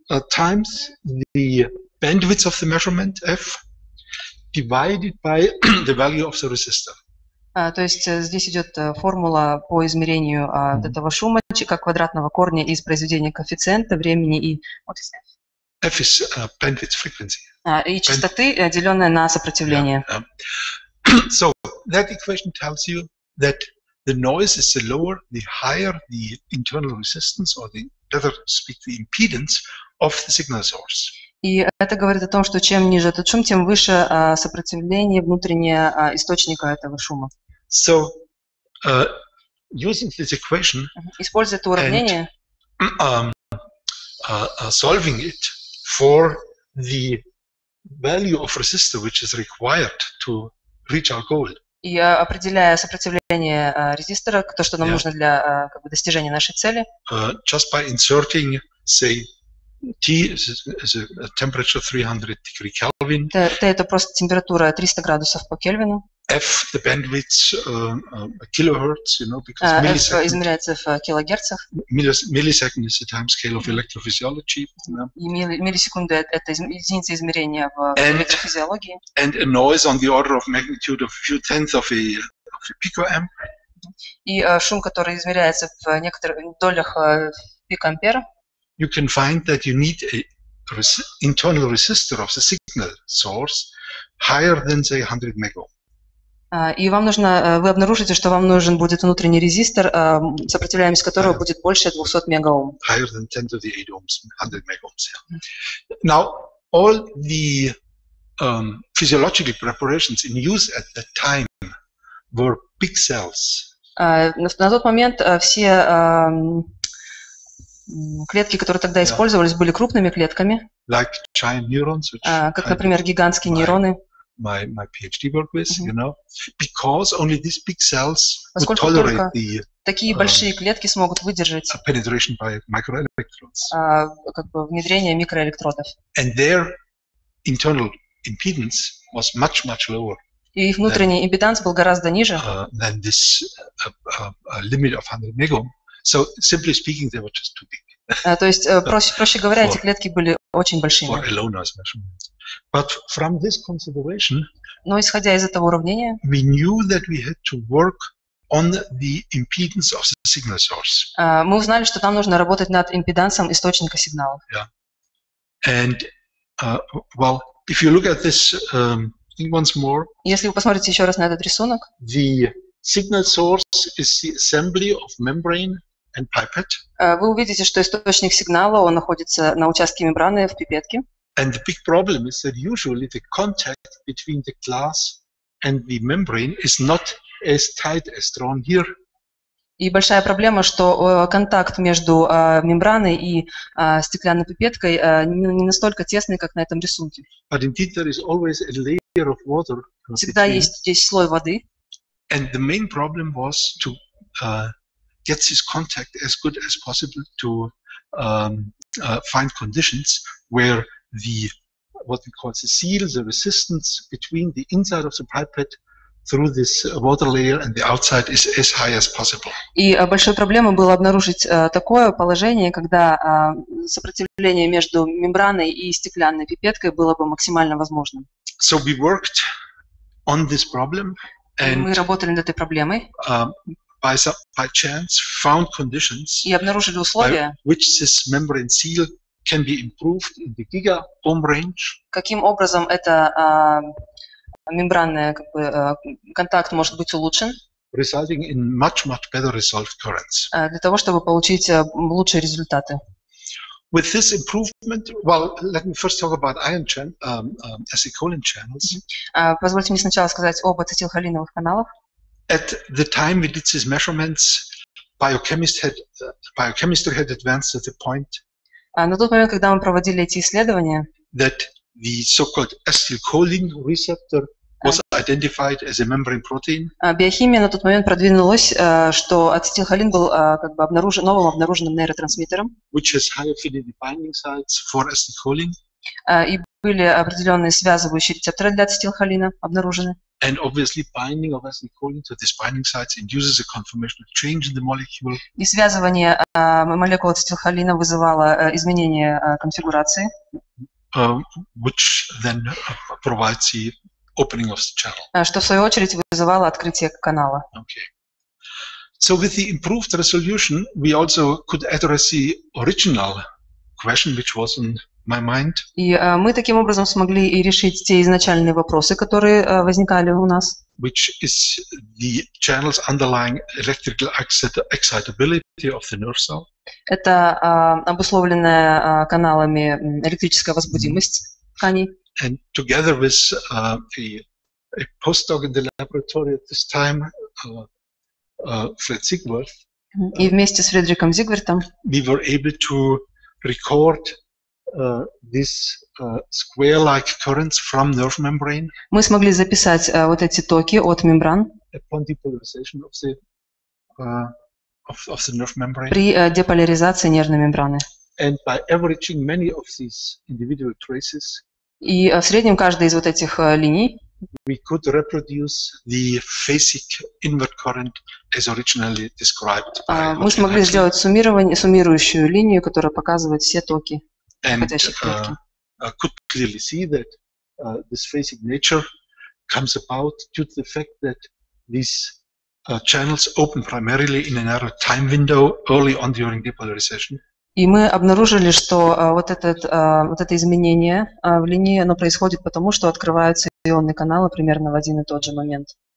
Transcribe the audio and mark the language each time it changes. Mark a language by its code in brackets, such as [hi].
[en] Times the bandwidth of the measurement f divided by the value of the resistor. [ru] То есть здесь идет формула по измерению этого шума как квадратного корня из произведения коэффициента времени и вот [en] f is bandwidth frequency. [ru] И частоты, деленная на сопротивление. [en] So that equation tells you that the noise is the lower, the higher the internal resistance, or the better speak the impedance of the signal source. [ru] И это говорит о том, что чем ниже этот шум, тем выше сопротивление внутреннее источника этого шума. [en] So, using this equation, [ru] используя это уравнение, [en] solving it for the value of resistor, which is required to reach our goal. [ru] И определяя сопротивление резистора, то, что нам нужно для как бы достижения нашей цели. [en] Just by inserting, say, T is a temperature 300 degree Kelvin. [ru] T это просто температура 300 градусов по Кельвину. [en] F the bandwidth kilohertz, you know, because [ru] millisecond. F измеряется в килогерцах. [en] Millisecond is the time scale of electrophysiology. [ru] И миллисекунды это единица измерения в электрофизиологии. [en] And a noise on the order of magnitude of a few tenths of a picoamp. [ru] И шум, который измеряется в некоторых долях пикоампера. [en] You can find that you need an internal resistor of the signal source higher than, say, 100 mega. [ru] И вам нужно, вы обнаружите, что вам нужен будет внутренний резистор, сопротивляемость которого будет больше 200 мегаом. [en] Higher than 10 to the 8 ohms, 100 megaohms. Yeah. Now, all the physiological preparations in use at that time were big cells. [ru] На тот момент все клетки, которые тогда использовались, были крупными клетками. [en] Like giant neurons, which [ru] как, например, гигантские нейроны. [en] My PhD work with, you know, because only these big cells would tolerate the [ru] такие большие клетки смогут выдержать [en] penetration by microelectrodes. [ru] Как бы внедрение микроэлектродов. [en] And their internal impedance was much, much lower. [ru] и их внутренний импеданс был гораздо ниже. [en] Than this limit of 100 megohm. So simply speaking, they were just too big. [ru] То есть проще говоря, эти клетки были очень большими. [en] For Elona's measurements. But from this consideration. [ru] Но исходя из этого уравнения. [en] We knew that we had to work on the impedance of the signal source. [ru] Мы узнали, что нам нужно работать над импедансом источника сигнала. [en] Yeah. And well, if you look at this thing once more. [ru] Если вы посмотрите еще раз на этот рисунок. [en] The signal source is the assembly of membrane and pipette. [ru] Вы увидите, что источник сигнала он находится на участке мембраны в пипетке. [en] And the big problem is that usually the contact between the glass and the membrane is not as tight as strong here. [ru] И большая проблема, что контакт между мембраной и стеклянной пипеткой не настолько тесный, как на этом рисунке. [en] But indeed there is always a layer of water. [ru] Всегда есть здесь слой воды. [en] And the main problem was to get this contact as good as possible to find conditions where the what we call the seal, the resistance between the inside of the pipette through this water layer and the outside is as high as possible. [ru] И большой проблемой было обнаружить такое положение, когда сопротивление между мембраной и стеклянной пипеткой было бы максимально возможным. [en] So we worked on this problem and [ru] мы работали над этой проблемой. [en] By chance found conditions. [ru] И обнаружили условия, [en] which this membrane seal can be improved in the giga ohm range. [ru] Каким образом это мембранный как бы, контакт может быть улучшен? [en] Resulting in much, much better resolved currents. [ru] Для того, чтобы получить лучшие результаты. [en] With this improvement, well, let me first talk about ion channels, acetylcholine channels. [ru] Позвольте мне сначала сказать об ацетилхолиновых каналах. [en] At the time we did these measurements, biochemistry had advanced to the point. [ru] На тот момент, когда мы проводили эти исследования, [en] that the so-called acetylcholine receptor was identified as a membrane protein. [ru] Биохимия на тот момент продвинулась, что ацетилхолин был как бы обнаружен новым обнаруженным нейротрансмиттером. [en] Which has high affinity binding sites for acetylcholine. [ru] И были определенные связывающие рецепторы для ацетилхолина обнаружены. [en] And obviously binding of acetylcholine to these binding sites induces a conformational change in the molecule. [ru] И связывание молекул ацетилхолина вызывало изменение конфигурации. [en] Which then provides the opening of the channel. [ru] Что в свою очередь вызывало открытие канала. [en] Okay. So with the improved resolution, we also could address the original question, which was on my mind. [ru] И мы таким образом смогли и решить те изначальные вопросы, которые возникали у нас. [en] Which is the channel's underlying electrical excitability of the nerve cell. [ru] Это обусловленная каналами электрическая возбудимость тканей. [en] And together with a postdoc in the laboratory at this time, Fred Zigworth. [ru] И вместе с Фредриком Зигвертом. [en] We were able to record these square-like currents from nerve membrane. [ru] Мы смогли записать вот эти токи от мембран. [en] Upon depolarization of the of the nerve membrane. [ru] При деполяризации нервной мембраны. [en] And by averaging many of these individual traces. [ru] И в среднем каждая из вот этих линий. [en] We could reproduce the phasic invert current as originally described. [ru] Мы смогли сделать суммирующую линию, которая показывает все токи. [en] And could clearly see that this phasic nature comes about due to the fact that these channels open primarily in a narrow time window early on during depolarization. [ru] И мы обнаружили, что вот это изменение в линии, оно происходит потому, что открываются ионные каналы примерно в один и тот же момент.